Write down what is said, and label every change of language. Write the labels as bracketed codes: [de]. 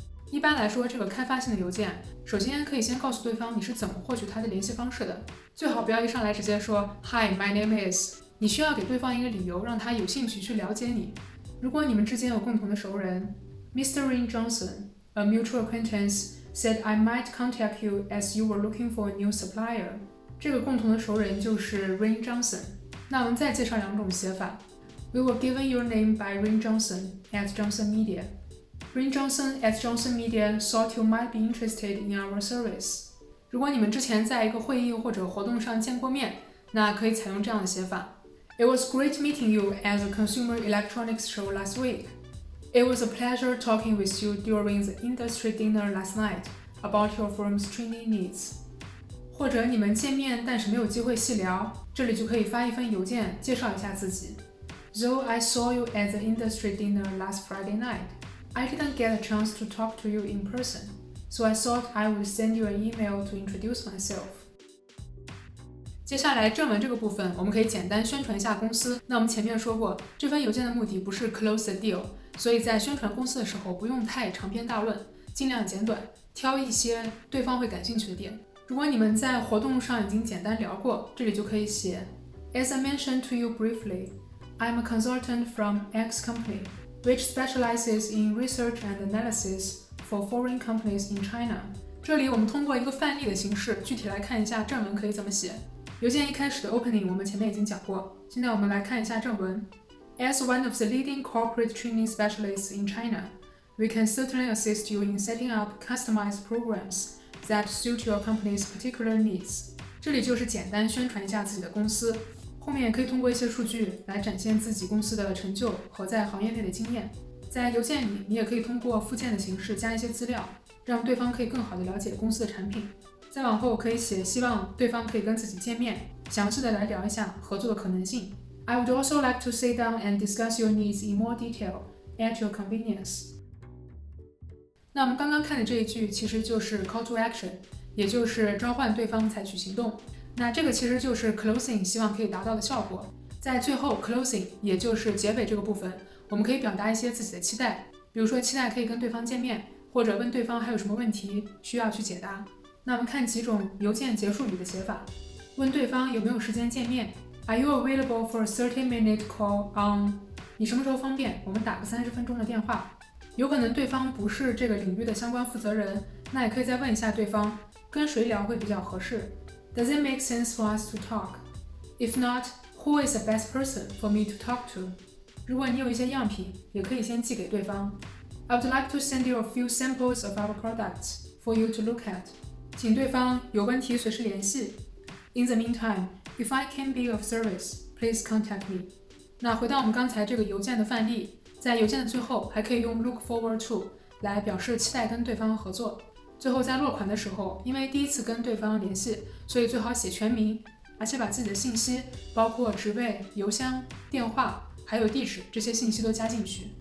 [zh] 一般来说这个开发性的邮件，首先可以先告诉对方你是怎么获取他的联系方式的，最好不要一上来直接说 [en] Hi my name is， [zh] 你需要给对方一个理由让他有兴趣去了解你。如果你们之间有共同的熟人， Mr. [en] Rain JohnsonA mutual acquaintance said I might contact you as you were looking for a new supplier. [zh] 这个共同的熟人就是 Rain Johnson. 那我们再介绍两种写法。 [en] We were given your name by Rain Johnson at Johnson Media. Rain Johnson at Johnson Media thought you might be interested in our service. [zh] 如果你们之前在一个会议或者活动上见过面，那可以采用这样的写法。 [en] It was great meeting you at the Consumer Electronics Show last week. It was a pleasure talking with you during the industry dinner last night about your firm's training needs. [zh] 或者你们见面但是没有机会细聊，这里就可以发一份邮件介绍一下自己。 [en] Though I saw you at the industry dinner last Friday night, I didn't get a chance to talk to you in person, so I thought I would send you an email to introduce myself. [zh] 接下来正文这个部分，我们可以简单宣传一下公司。那我们前面说过，这份邮件的目的不是 [en] close the deal。 [zh] 所以在宣传公司的时候不用太长篇大论，尽量简短，挑一些对方会感兴趣的点。如果你们在活动上已经简单聊过，这里就可以写 [en] As I mentioned to you briefly, I'm a consultant from X company, which specializes in research and analysis for foreign companies in China. [zh] 这里我们通过一个范例的形式具体来看一下正文可以怎么写。邮件一开始的 opening 我们前面已经讲过，现在我们来看一下正文。 [en] As one of the leading corporate training specialists in China, we can certainly assist you in setting up customized programs that suit your company's particular needs. [zh] 这里就是简单宣传一下自己的公司，后面可以通过一些数据来展现自己公司的成就和在行业内的经验。在邮件里，你也可以通过附件的形式加一些资料，让对方可以更好地了解公司的产品。再往后可以写希望对方可以跟自己见面，详细地来聊一下合作的可能性。 [en] I would also like to sit down and discuss your needs in more detail at your convenience. [zh] 那我们刚刚看的这一句其实就是 [en] call to action， [zh] 也就是召唤对方采取行动。那这个其实就是 closing 希望可以达到的效果。在最后 closing 也就是结尾这个部分，我们可以表达一些自己的期待，比如说期待可以跟对方见面，或者问对方还有什么问题需要去解答。那我们看几种邮件结束语的写法，问对方有没有时间见面， [en] Are you available for a 30-minute call on? [zh] 你什么时候方便？我们打个30分钟的电话。有可能对方不是这个领域的相关负责人，那也可以再问一下对方，跟谁聊会比较合适。 [en] Does it make sense for us to talk? If not, who is the best person for me to talk to? [zh] 如果你有一些样品，也可以先寄给对方。 [en] I would like to send you a few samples of our products for you to look at. [zh] 请对方有问题随时联系。 [en] In the meantime, if I can be of service, please contact me. [zh] 那回到我们刚才这个邮件的范例，在邮件的最后还可以用 [en] look forward to [zh] 来表示期待跟对方合作。最后在落款的时候，因为第一次跟对方联系，所以最好写全名，而且把自己的信息，包括职位、邮箱、电话，还有地址，这些信息都加进去。